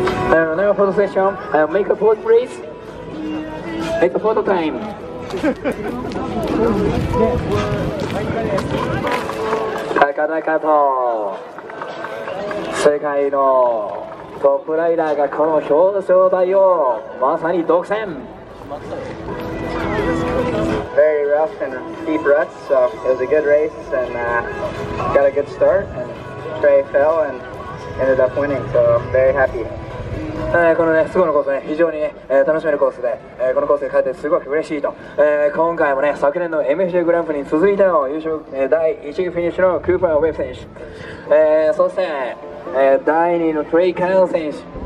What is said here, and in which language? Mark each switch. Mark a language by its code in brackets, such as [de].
[en] ではフォトセッションメイクアポーズプリーズメイクアポーズタイム。 [ja] 高々と世界のトップライダーがこの表彰台をまさに独占。 [en] Very rough and deep ruts, so it was a good race and got a good start. And Trey fell and ended up winning, so very happy. [ja] このね、スゴのコースね、非常に、楽しめるコースで、このコースで勝ててすごく嬉しいと、今回もね、昨年の MFJ グランプリに続いての優勝、第1位フィニッシュのクーパー・ウェブ選手、そして、第2位のトレイ・カネル選手。